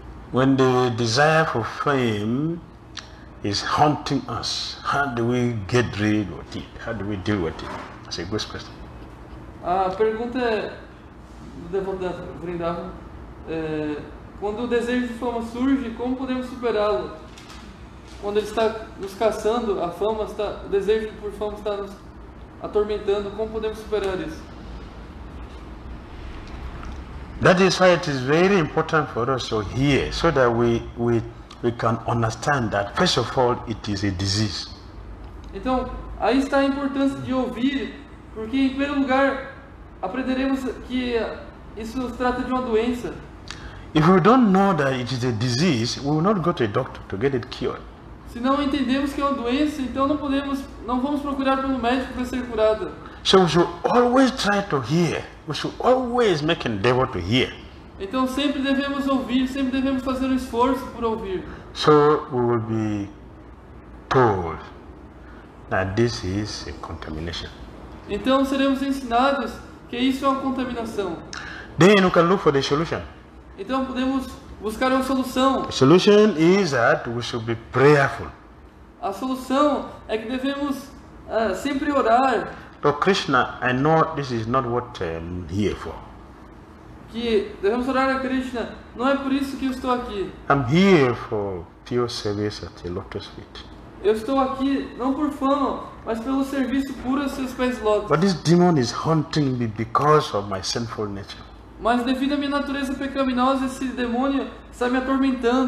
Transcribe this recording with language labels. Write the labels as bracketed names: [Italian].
[English] When the desire for fame is haunting us, how do we get rid of it? How do we deal with it? That's a good question. [Portuguese] A pergunta do devoto Vrindavan é: quando o desejo de fama surge, como podemos superá-lo? Quando ele está nos caçando, a fama está, o desejo por fama está nos atormentando, como podemos superar isso? [English] That is why it is very important for us to hear, so that we can understand that first of all it is a disease. [Portuguese] Então, aí está a importância de ouvir, porque em primeiro lugar aprenderemos que isso se trata de uma doença. [English] If we don't know that it is a disease, we will not go to a doctor to get it cured. [Portuguese] Se não entendemos que é uma doença, então não podemos, não vamos procurar pelo médico para ser curado. [English] So we should always try to hear. We should always make an endeavor to hear. [Portuguese] Então sempre devemos ouvir, sempre devemos fazer um esforço por ouvir. [English] So we will be told that this is a contamination. [Portuguese] Então seremos ensinados que isso é uma contaminação. [English] Then you can look for the solution. [Portuguese] Então podemos buscar uma solução. [English] The solution is that we should be prayerful. [Portuguese] A solução é que devemos sempre orar. [English] Oh Krishna, I know this is not what I'm here for. [Portuguese] Que devemos orar a Krishna, não é por isso que eu estou aqui. [English] I'm here for pure service at the lotus feet. [Portuguese] Eu estou aqui não por fama, mas pelo serviço puro aos seus pés lotus. [English] But this demon is haunting me because of my sinful nature. [Portuguese] Mas devido à minha natureza pecaminosa, esse demônio está me atormentando.